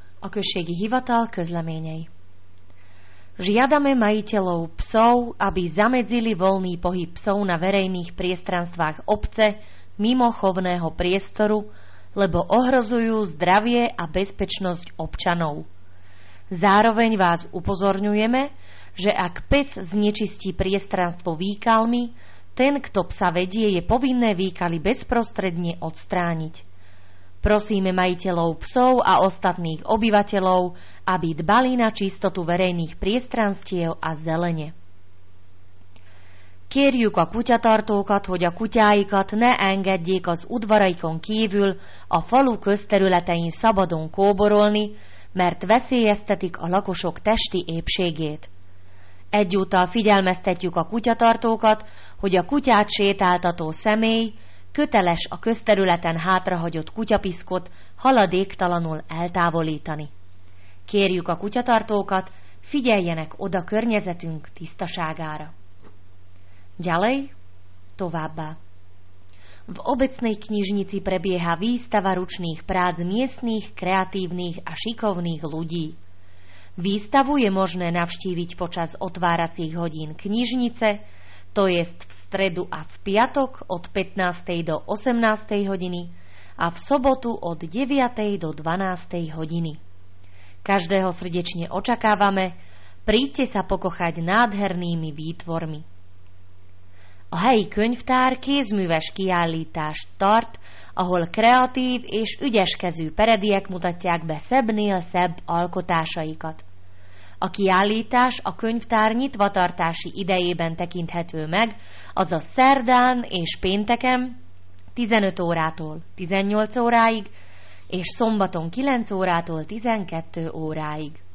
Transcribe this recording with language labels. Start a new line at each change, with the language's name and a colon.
Hungarian: O kešegi hivatal közleményei.
Slovak: Žiadame majiteľov psov, aby zamedzili voľný pohyb psov na verejných priestranstvách obce mimo chovného priestoru, lebo ohrozujú zdravie a bezpečnosť občanov. Zároveň vás upozorňujeme, že ak pes znečistí priestranstvo výkalmi, ten, kto psa vedie, je povinné výkaly bezprostredne odstrániť. Prosíme majiteľov psov a ostatných obyvateľov, aby dbali na čistotu verejných priestranstiev a zelene.
Hungarian: Kérjük a kutyatartókat, hogy a kutyáikat ne engedjék az udvaraikon kívül a falu közterületein szabadon kóborolni, mert veszélyeztetik a lakosok testi épségét. Egyúttal figyelmeztetjük a kutyatartókat, hogy a kutyát sétáltató személy köteles a közterületen hátrahagyott kutyapiszkot haladéktalanul eltávolítani. Kérjük a kutyatartókat, figyeljenek oda környezetünk tisztaságára.
Slovak: Ďalej, továbbá. V obecnej knižnici prebieha výstava ručných prác miestnych, kreatívnych a šikovných ľudí. Výstavu je možné navštíviť počas otváracích hodín knižnice, to jest v stredu a v piatok od 15. do 18. hodiny a v sobotu od 9. do 12. hodiny. Každého srdečne očakávame, príďte sa pokochať nádhernými výtvormi.
Hungarian: A helyi könyvtár kézműves kiállítást tart, ahol kreatív és ügyeskező perediek mutatják be szebbnél szebb alkotásaikat. A kiállítás a könyvtár nyitvatartási idejében tekinthető meg, azaz szerdán és pénteken 15 órától 18 óráig, és szombaton 9 órától 12 óráig.